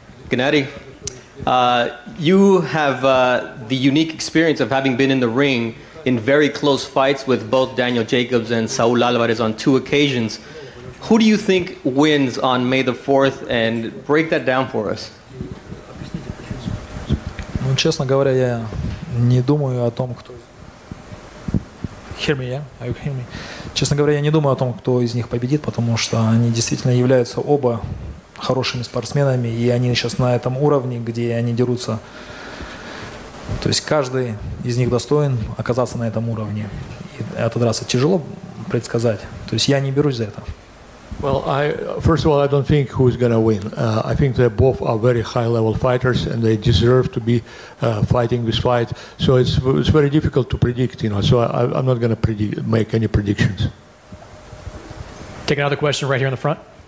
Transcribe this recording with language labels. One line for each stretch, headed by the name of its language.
English: Gennady, you have the unique experience of having been in the ring in very close fights with both Daniel Jacobs and Saul Alvarez on two occasions. Who do you think wins on May the 4th, and break that down for us?
Russian: Ну, честно говоря, я не думаю о том, кто.
English: Hear me, yeah? You hear me?
Russian: Честно говоря, я не думаю о том, кто из них победит, потому что они действительно являются оба хорошими спортсменами, и они сейчас на этом уровне, где они дерутся. То есть каждый из них достоин оказаться на этом уровне. И эта драка тяжело предсказать. То есть я не берусь за это.
English: Well, First of all, I don't think who's going to win. I think they both are very high-level fighters, and they deserve to be fighting this fight. So it's very difficult to predict, you know. So I'm not going to make any predictions. Take another question right here in the front.